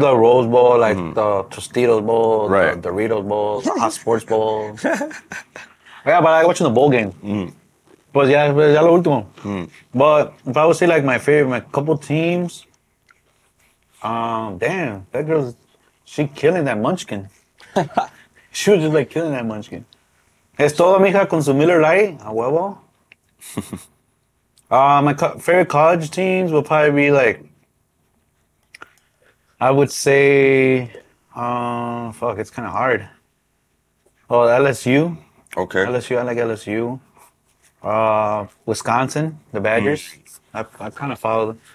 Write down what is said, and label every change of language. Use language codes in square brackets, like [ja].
[en] The Rose Bowl, like the Tostitos Bowl, the Doritos Bowl, Hot Sports Bowl. Yeah, but I like watching the bowl game. Mm. But yeah, [es] ya lo último. [en] But if I would say like my favorite, my couple teams, that girl's, she killing that munchkin. She was just like killing that munchkin. [es] Es todo, mija, con su Miller Lite, a huevo. [en] My favorite college teams would probably be like, I would say, it's kind of hard. Oh, LSU. Okay. LSU, I like LSU. Wisconsin, the Badgers. Mm. I kind of follow them.